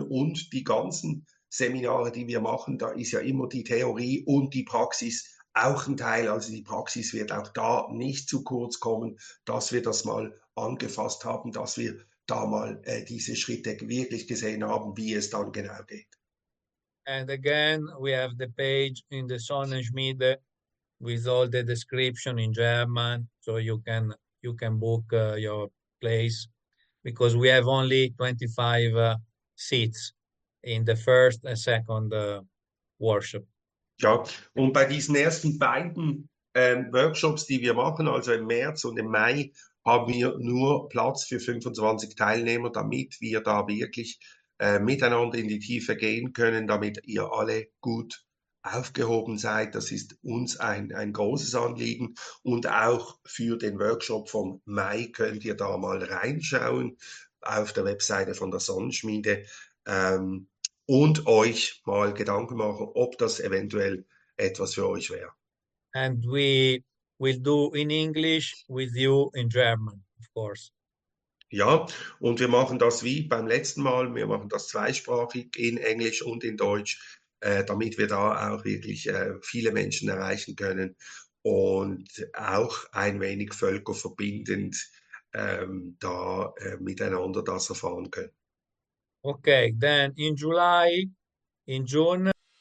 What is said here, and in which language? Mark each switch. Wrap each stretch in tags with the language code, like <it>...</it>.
<de>Und die ganzen Seminare, die wir machen, da ist ja immer die Theorie und die Praxis auch ein Teil. Also die Praxis wird auch da nicht zu kurz kommen, dass wir das mal angefasst haben, dass wir da mal diese Schritte wirklich gesehen haben, wie es dann genau geht.</de> <en>And again, we have the page in the Sonnenschmied with all the description in German, so you can book your place, because we have only 25 seats in the first and second workshop.</en> <de>Ja, und bei diesen ersten beiden Workshops, die wir machen, also im März und im Mai, haben wir nur Platz für 25 Teilnehmer, damit wir da wirklich miteinander in die Tiefe gehen können, damit ihr alle gut aufgehoben seid. Das ist uns ein großes Anliegen. Und auch für den Workshop vom Mai könnt ihr da mal reinschauen auf der Webseite von der Sonnenschmiede und euch mal Gedanken machen, ob das eventuell etwas für euch wäre.</de> <en>And we will do in English with you in German, of course.</en> <de>Ja, und wir machen das wie beim letzten Mal. Wir machen das zweisprachig in Englisch und in Deutsch, damit wir da auch wirklich viele Menschen erreichen können und auch ein wenig völkerverbindend da miteinander das erfahren können.</de> <en>Okay, then in July, in June.</en>